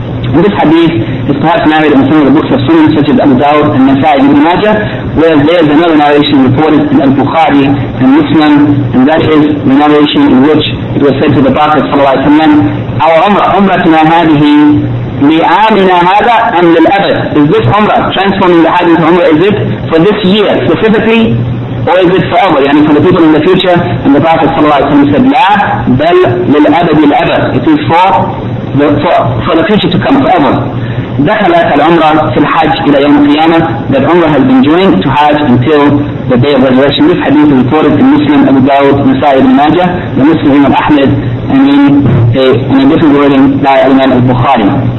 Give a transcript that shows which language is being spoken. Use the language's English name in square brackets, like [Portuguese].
[English] And this hadith is perhaps narrated in some of the books of Sunan, such as Abu Dawud and Nasa'i and Ibn Majah, where there is another narration reported in Al-Bukhari and Muslim, and that is the narration in which it was said to the Prophet sallallahu alayhi wa sallam, our Umrah, [Arabic] Umratina hadihi, li'amina hada am lil'abad. [English] Is this Umrah, transforming the Hajj into Umrah, is it for this year specifically, or is it forever? [Arabic] يعني [English] for the people in the future, and the Prophet صلى الله عليه وسلم said [Arabic] لا بل للأبد الأبد. [English] It is for the future to come forever. [Arabic] دخلت العمرة في الحج إلى يوم القيامة. [English] That Umrah has been joined to Hajj until the day of resurrection. This hadith is reported in Muslim, Abu Dawud, Nasa'i ibn Majah, the Muslim of Ahmed, and in a different wording by Imam al-Bukhari.